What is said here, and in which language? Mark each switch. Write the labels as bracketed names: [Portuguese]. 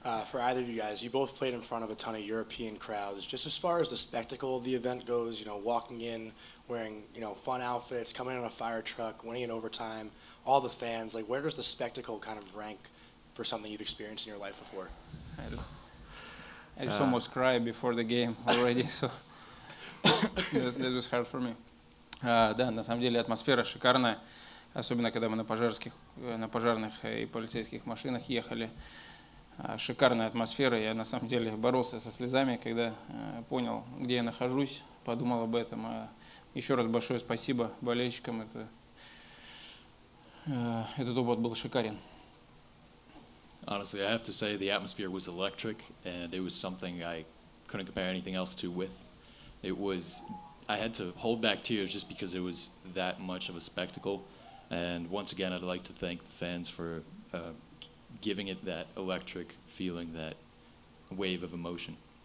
[English] For either of you guys, you both played in front of a ton of European crowds. Just as far as the spectacle of the event goes, you know, walking in, wearing, you know, fun outfits, coming in on a fire truck, winning in overtime, all the fans, like, where does the spectacle kind of rank for something you've experienced in your life before? I just almost cried before the game already, so that was hard for me. [Russian] Да, на самом деле атмосфера шикарная, особенно когда мы на пожарных и полицейских машинах ехали. Шикарная атмосфера. Я на самом деле боролся со слезами, когда понял, где я нахожусь. подумал об этом. Еще раз большое спасибо болельщикам. Этот опыт был шикарен. [English] Honestly, I have to say the atmosphere was electric, and it was something I couldn't compare anything else to with. It was, I had to hold back tears just because it was that much of a spectacle. And once again, I'd like to thank the fans for giving it that electric feeling, that wave of emotion.